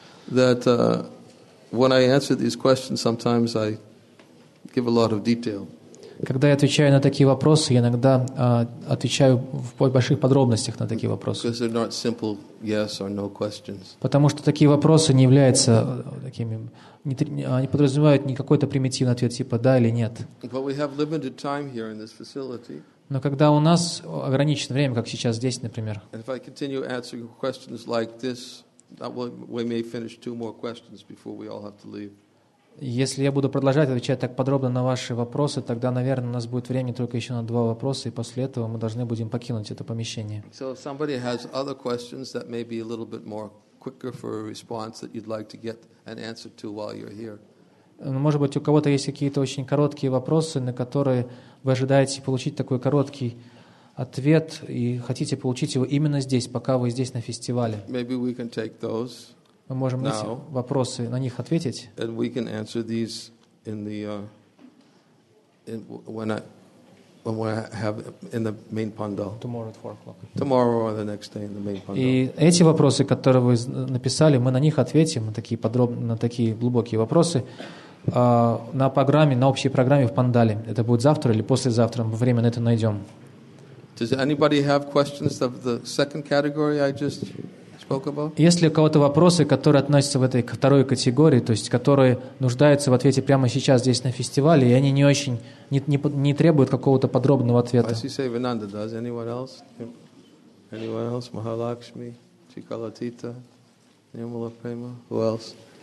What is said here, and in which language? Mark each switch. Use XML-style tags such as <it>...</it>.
<en>that when I answer these questions, sometimes I give a lot of detail.</en> <ru>Когда я отвечаю на такие вопросы, я иногда отвечаю в больших подробностях на такие вопросы.</ru> <en>Because they're not simple yes or no questions.</en> <ru>Потому что такие вопросы не являются такими, они подразумевают не какой-то примитивный ответ типа да или нет.</ru> <en>But we have limited time here in this facility.</en> <ru>Но когда у нас ограничено время, как сейчас здесь, например.</ru> <en>And if I continue answering questions like this, we may finish two more questions before we all have to leave.</en> <ru>Если я буду продолжать отвечать так подробно на ваши вопросы, тогда, наверное, у нас будет времени только еще на два вопроса, и после этого мы должны будем покинуть это помещение.</ru> <en>So if somebody has other questions that may be a little bit more quicker for a response that you'd like to get an answer to while you're here.</en> <ru>Может быть, у кого-то есть какие-то очень короткие вопросы, на которые вы ожидаете получить такой короткий ответ и хотите получить его именно здесь, пока вы здесь на фестивале.</ru> <en>Maybe we can take those.</en> <ru>Мы можем эти вопросы на них ответить.</ru> <en>And we can answer these in the in when I when we have in the main pandal. Tomorrow at 4 o'clock. Tomorrow or the next day in the main pandal.</en> <ru>И эти вопросы, которые вы написали, мы на них ответим, такие подробно, на такие глубокие вопросы на программе, на общей программе в пандале. Это будет завтра или послезавтра, мы время на это найдем.</ru> <en>Does anybody have questions of the second category I just?</en> <ru>Есть ли у кого-то вопросы, которые относятся в этой второй категории, то есть которые нуждаются в ответе прямо сейчас здесь на фестивале, и они не очень не требуют какого-то подробного ответа?</ru> <en>I see Vinanda does. Anyone else? Anyone else? Mahalakshmi, Chikalatita, Nirmala Prema. Who else?</en>